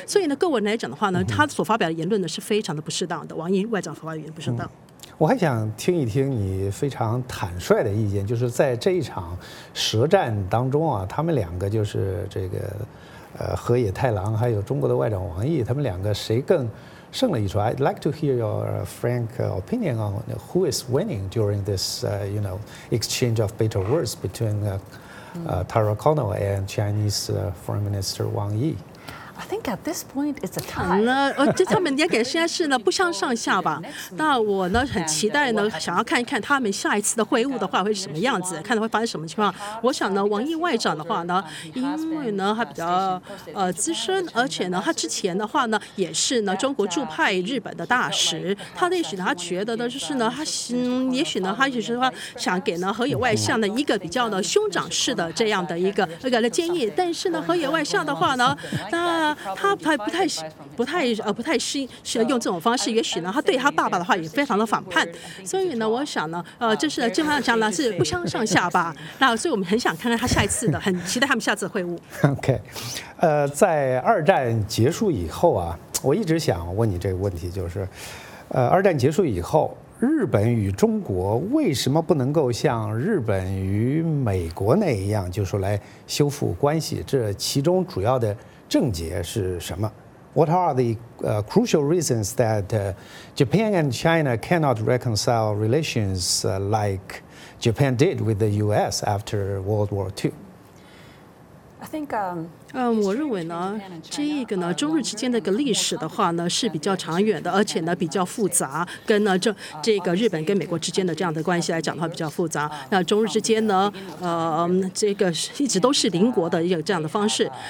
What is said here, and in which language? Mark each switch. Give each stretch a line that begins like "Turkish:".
Chinese: 所以呢，个人来讲的话呢，他所发表的言论呢是非常的不适当的。王毅外长发表的言论不适当。我还想听一听你非常坦率的意见，就是在这一场舌战当中啊，他们两个就是这个河野太郎还有中国的外长王毅，他们两个谁更？胜了一筹。
English: I'd like to hear your frank opinion on who is winning during this, exchange of bitter words between Taro Kono and Chinese Foreign Minister Wang Yi. I think at this point it's a tie.
Chinese: 这他们应该现在是呢不相上下吧？那我呢很期待呢，想要看一看他们下一次的会晤的话会是什么样子，看他会发生什么情况。我想呢，王毅外长的话呢，因为呢他比较资深，而且呢他之前的话呢也是呢中国驻派日本的大使，他也许他觉得呢就是呢他也许呢他就是说想给呢河野外相的一个比较的兄长式的这样的一个建议，但是呢河野外相的话呢，他不太用这种方式，也许呢，他对他爸爸的话也非常的反叛，所以呢，我想呢，就是基本上呢是不相上下吧。那所以我们很想看看他下一次的，很期待他们下次的会晤。 OK， 在二战结束以后啊，我一直想问你这个问题，就是，二战结束以后，日本与中国为什么不能够像日本与美国那一样，就是来修复关系？这其中主要的症结是什么？
English: What are the crucial reasons that Japan and China cannot reconcile relations like Japan did with the U.S. after World War II? I think.
Chinese: 我认为呢，这个呢，中日之间的一个历史的话呢，是比较长远的，而且呢比较复杂。跟呢这个日本跟美国之间的这样的关系来讲的话，比较复杂。那中日之间呢，这个一直都是邻国的一个这样的方式。